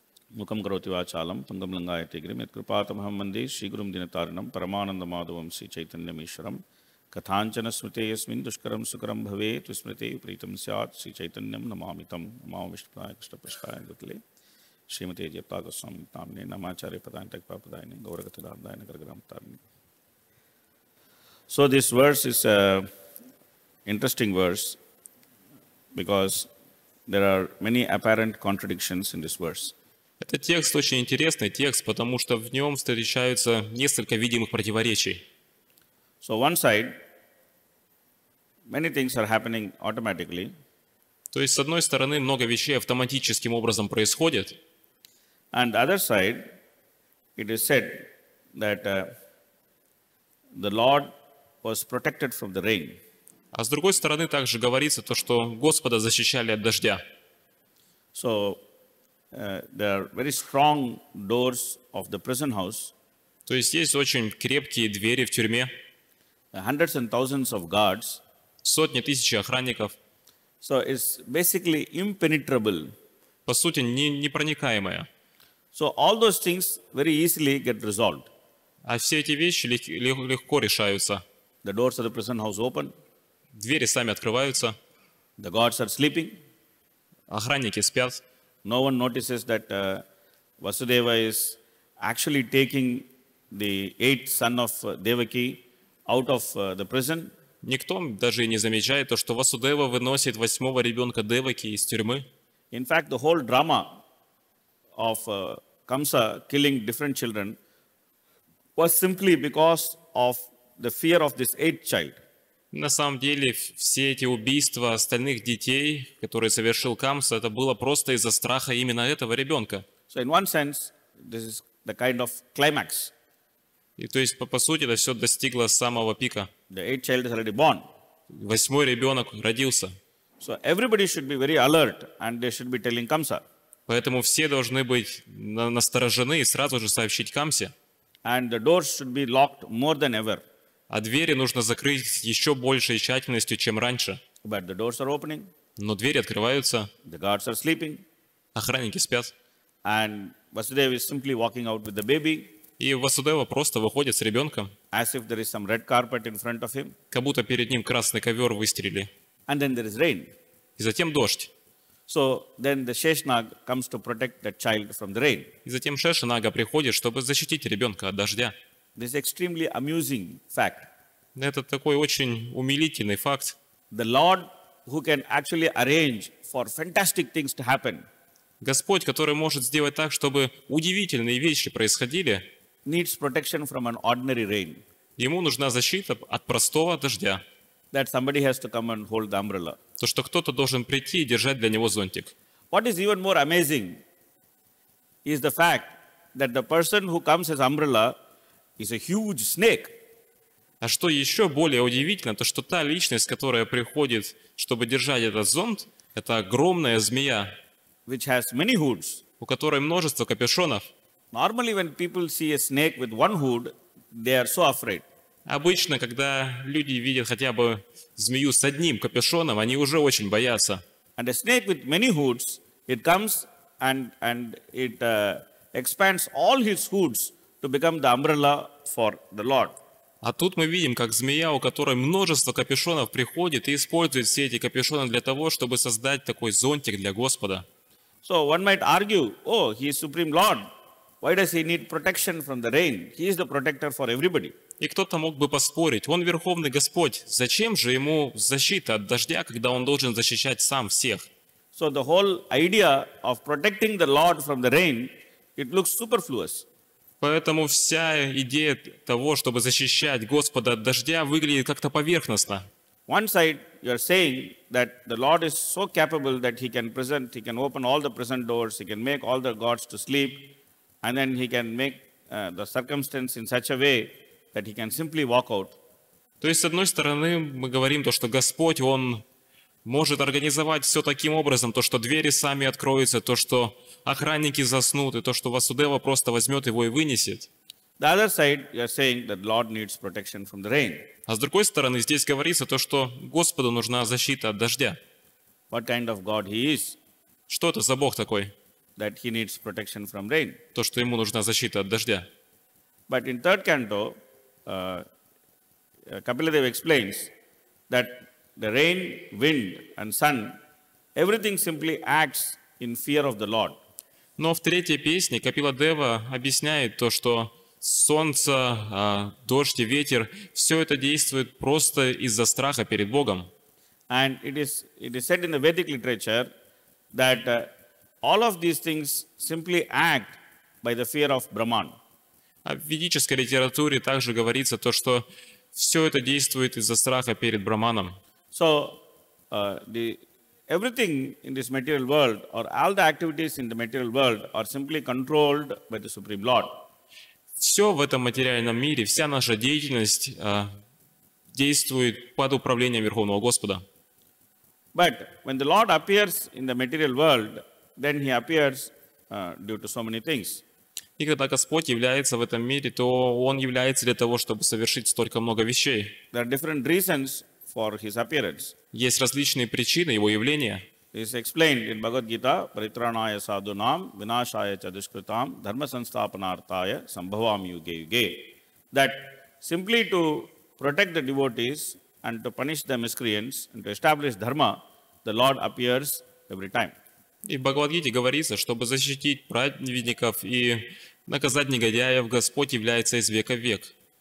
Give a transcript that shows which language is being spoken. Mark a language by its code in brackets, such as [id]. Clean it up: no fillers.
[sa] Мукам Гроти Вачалам, Пангам Лангая Тигри, Медкрупатам Хамманди, Шигрум Динатарнам, Парамананда Мадувам, Си Чайтанья Мишрам, Катханчана Смрите Ясмин, Душкарам Сукарам Бхаве, Тусмрите, Притам Сиат, Си Чайтаньям, Намамитам, Намам Виштапрая, Кштапрашкая, Гутли, Шримати Джептага Свами, Тамни, Намачари Падайна, Такпа Падайна, Гаурагата Дардайна, Гарграм Тарни. [en] So this verse is an interesting verse because there are many apparent contradictions in this verse. [ru] Этот текст очень интересный текст, потому что в нем встречаются несколько видимых противоречий. [en] So one side, many things are happening automatically. [ru] То есть, с одной стороны, много вещей автоматическим образом происходит. [en] And the other side, it is said that the Lord was protected from the rain. [ru] А с другой стороны, также говорится то, что Господа защищали от дождя. [en] So there are very strong doors of the prison house. [ru] То есть есть очень крепкие двери в тюрьме. [en] Hundreds and thousands of guards. [ru] Сотни тысяч охранников. [en] So it's basically impenetrable. [ru] По сути, непроникаемая. [en] So all those things very easily get resolved. [ru] А все эти вещи легко решаются. [en] The doors of the prison house open. [ru] Двери сами открываются. [en] The guards are sleeping. [ru] Охранники спят. [en] No one notices that Vasudeva is actually taking the eighth son of Devaki out of the prison. [ru] Никто даже не замечает то, что Васудева выносит восьмого ребенка Деваки из тюрьмы. [en] In fact, the whole drama of Kamsa killing different children was simply because of the fear of this eighth child. [ru] На самом деле, все эти убийства остальных детей, которые совершил Камса, это было просто из-за страха именно этого ребенка. [en] So in one sense, this is the kind of climax. [ru] И то есть, по сути, это все достигло самого пика. [en] The eighth child is already born. [ru] Восьмой ребенок родился. [en] So everybody should be very alert and they should be telling Kamsa. [ru] Поэтому все должны быть насторожены и сразу же сообщить Камсе. [en] And the doors should be locked more than ever. [ru] А двери нужно закрыть еще большей тщательностью, чем раньше. [en] But the doors are opening. [ru] Но двери открываются. [en] The guards are sleeping. [ru] Охранники спят. [en] And Vasudeva is simply walking out with the baby. [ru] И Васудева просто выходит с ребенком. [en] As if there is some red carpet in front of him. [ru] Как будто перед ним красный ковер выстрелили. [en] And then there is rain. [ru] И затем дождь. [en] So then the Sheshnag comes to protect that child from the rain. [ru] И затем Шешнага приходит, чтобы защитить ребенка от дождя. [en] This is extremely amusing fact. [ru] Это такой очень умилительный факт. [en] The Lord who can actually arrange for fantastic things to happen. [ru] Господь, который может сделать так, чтобы удивительные вещи происходили. [en] Needs protection from an ordinary rain. [ru] Ему нужна защита от простого дождя. [en] That somebody has to come and hold the umbrella. [ru] То, что кто-то должен прийти и держать для него зонтик. [en] What is even more amazing is the fact that the person who comes as umbrella is a huge snake. [ru] А что еще более удивительно, то что та личность, которая приходит, чтобы держать этот зонт, это огромная змея, [en] which has many hoods. [ru] У которой множество капюшонов. [en] Normally, when people see a snake with one hood, they are so afraid. [ru] Обычно, когда люди видят хотя бы змею с одним капюшоном, они уже очень боятся. [en] And a snake with many hoods, it comes and it expands all his hoods to become the umbrella for the Lord. [ru] А тут мы видим, как змея, у которой множество капюшонов, приходит и использует все эти капюшоны для того, чтобы создать такой зонтик для Господа. [en] So one might argue, oh, he is supreme Lord. Why does he need protection from the rain? He is the protector for everybody. [ru] И кто-то мог бы поспорить, он Верховный Господь, зачем же ему защита от дождя, когда он должен защищать сам всех? [en] So the whole idea of protecting the Lord from the rain, it looks superfluous. [ru] Поэтому вся идея того, чтобы защищать Господа от дождя, выглядит как-то поверхностно. [en] One side you are saying that the Lord is so capable that he can open all the prison doors, he can make all the gods to sleep, and then he can make the circumstance in such a way that he can simply walk out. [ru] То есть с одной стороны мы говорим то, что Господь он может организовать все таким образом, то, что двери сами откроются, то, что охранники заснут, и то, что Васудева просто возьмет его и вынесет. [en] The other side, you are saying that Lord needs protection from the rain. [ru] А с другой стороны, здесь говорится то, что Господу нужна защита от дождя. [en] What kind of God he is? [ru] Что это за Бог такой? [en] That he needs protection from rain. [ru] То, что ему нужна защита от дождя. [en] But in third canto, Kapiladeva explains that the rain, wind and sun, everything simply acts in fear of the Lord. [ru] Но в третьей песне Капиладева объясняет то, что солнце, дождь и ветер, все это действует просто из-за страха перед Богом. [en] And it is said in the Vedic literature that all of these things simply act by the fear of Brahman. [ru] А в ведической литературе также говорится то, что все это действует из-за страха перед Брахманом. [en] So, everything in this material world, or all the activities in the material world, are simply controlled by the Supreme Lord. [ru] Все в этом материальном мире, вся наша деятельность действует под управлением Верховного Господа. [en] But when the Lord appears in the material world, then he appears due to so many things. [ru] И когда Господь является в этом мире, то он является для того, чтобы совершить столько много вещей. [en] There are different reasons for his appearance. [ru] Есть различные причины его явления. [en] This is explained in Bhagavad Gita, [sa] Paritranaya Sadhunam, Vinashaya Chadushkritam, Dharma Sansthapanartaya, Sambhavam Yuge Yuge. [en] That simply to protect the devotees and to punish the miscreants and to establish Dharma, the Lord appears every time. [ru] И в Бхагавад-гите говорится, чтобы защитить праведников и наказать негодяев, Господь является из века в век.